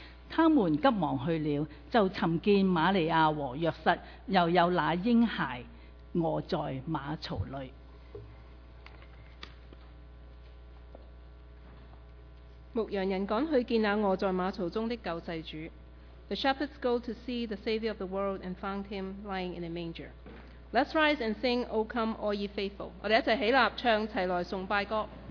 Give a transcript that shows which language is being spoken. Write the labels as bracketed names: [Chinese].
[Chinese] 他们急忙去了，就寻见玛利亚和约瑟，又有那婴孩卧在马槽里。牧羊人赶去见那卧在马槽中的救世主。 [English] The shepherds go to see the Savior of the world and found him lying in a manger. Let's rise and sing, O come, all ye faithful. [Chinese] 我们一起起立唱齐来颂拜歌。